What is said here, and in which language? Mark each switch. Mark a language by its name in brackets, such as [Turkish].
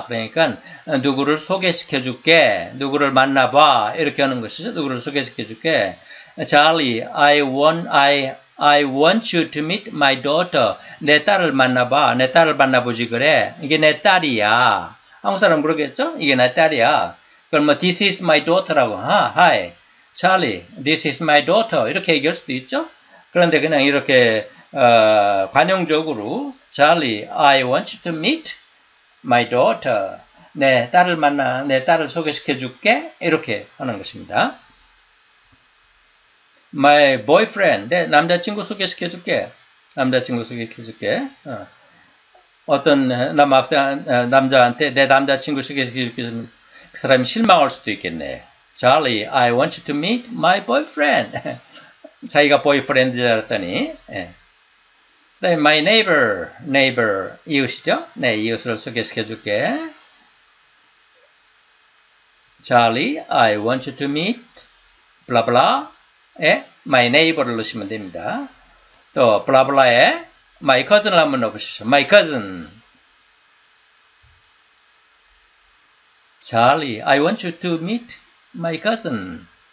[Korean] 그러니까 누구를 소개시켜줄게. 누구를 만나봐. 이렇게 하는 것이죠. 누구를 소개시켜줄게. [English] Charlie, I want you to meet my daughter. [Korean] 내 딸을 만나봐. 내 딸을 만나보지 그래. 이게 내 딸이야. 한국 사람 그러겠죠? 이게 내 딸이야. 그럼 뭐 [English] this is my daughter라고. 아, hi, Charlie, this is my daughter. [Korean] 이렇게 얘기할 수도 있죠? 그런데 그냥 이렇게 관용적으로 [English] Charlie, I want you to meet my daughter. [Korean] 내 딸을 만나, 내 딸을 소개시켜줄게. 이렇게 하는 것입니다. [English] My boyfriend, [Korean] 내 남자친구 소개시켜줄게. 남자친구 소개시켜줄게. 어떤 남자한테 내 남자친구 소개시켜줄게. 그 사람이 실망할 수도 있겠네. [English] Charlie, I want you to meet my boyfriend. [Korean] 자기가 boyfriend인 줄 알았더니. 네. [English] My neighbor, neighbor, [Korean] 이웃이죠? 네, 이웃을 소개시켜줄게. [English] Charlie, I want you to meet, blah, blah, 에? My neighbor [Korean] 를 넣으시면 됩니다. 또, blah, blah에 [English] my cousin [Korean] 을 한번 넣어보십시오. [English] My cousin. Charlie, I want you to meet my cousin.